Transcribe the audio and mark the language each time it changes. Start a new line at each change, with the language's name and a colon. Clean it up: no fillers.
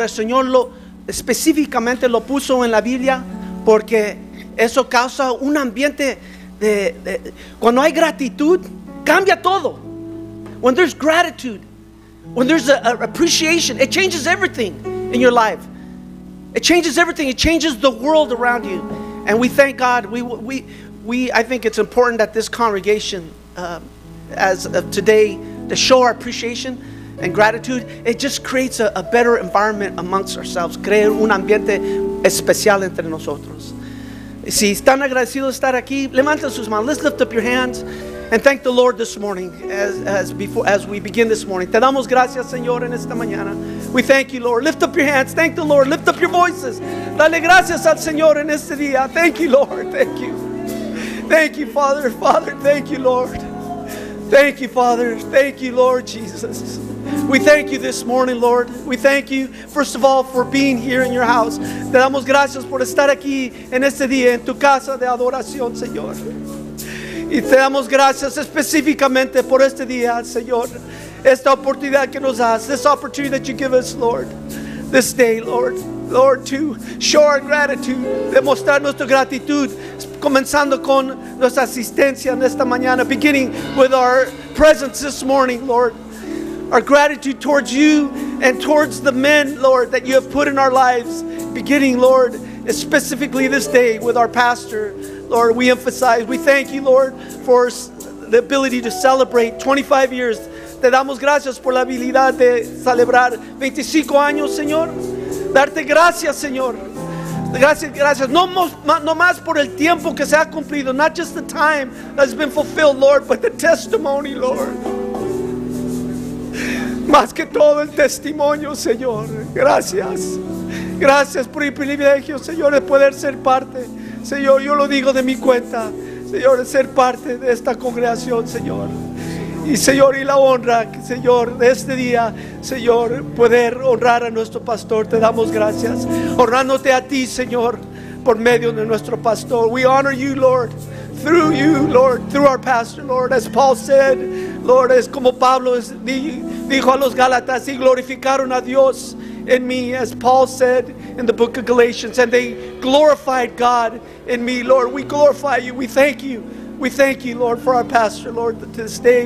Spanish: El Señor lo específicamente lo puso en la Biblia porque eso causa un ambiente de cuando hay gratitud, cambia todo.
English: When there's gratitude, when there's a appreciation, it changes everything in your life. It changes everything. It changes the world around you. And we thank God. I think it's important that this congregation, as of today, to show our appreciation and gratitude. It just creates a better environment amongst ourselves.
Spanish: Crear un ambiente especial entre nosotros. Si están agradecidos de estar aquí, levanten sus manos.
English: Let's lift up your hands and thank the Lord this morning as we begin this morning.
Spanish: Te damos gracias, Señor, en esta mañana.
English: We thank you, Lord. Lift up your hands. Thank the Lord. Lift up your voices.
Spanish: Dale gracias al Señor en este día.
English: Thank you, Lord. Thank you. Thank you, Father. Father, thank you, Lord. Thank you, Father. Thank you, Lord Jesus. We thank you this morning, Lord. We thank you, first of all, for being here in your house.
Spanish: Te damos gracias por estar aquí en este día en tu casa de adoración, Señor. Y te damos gracias específicamente por este día, Señor.
English: Esta oportunidad que nos das, this opportunity that you give us, Lord. This day, Lord. Lord, to show our gratitude.
Spanish: Demostrar nuestra gratitud. Comenzando con nuestra asistencia en esta mañana.
English: Beginning with our presence this morning, Lord. Our gratitude towards you and towards the men, Lord, that you have put in our lives. Beginning, Lord, specifically this day with our pastor, Lord, we emphasize. We thank you, Lord, for the ability to celebrate 25 years.
Spanish: Te damos gracias por la habilidad de celebrar 25 años, Señor. Darte gracias, Señor. Gracias, gracias. No más por el tiempo que se ha cumplido.
English: Not just the time that's been fulfilled, Lord, but the testimony, Lord.
Spanish: Más que todo el testimonio, Señor. Gracias. Gracias por el privilegio, Señor, de poder ser parte. Señor, yo lo digo de mi cuenta. Señor, de ser parte de esta congregación, Señor. Y Señor, y la honra, Señor, de este día, Señor, poder honrar a nuestro pastor. Te damos gracias. Honrándote a ti, Señor, por medio de nuestro pastor.
English: We honor you, Lord. Through you, Lord, through our pastor, Lord, as Paul said, Lord, as
Spanish: como Pablo dijo a los Gálatas, y glorificaron a Dios en mí,
English: as Paul said in the book of Galatians, and they glorified God in me, Lord. We glorify you. We thank you. We thank you, Lord, for our pastor, Lord, to this day.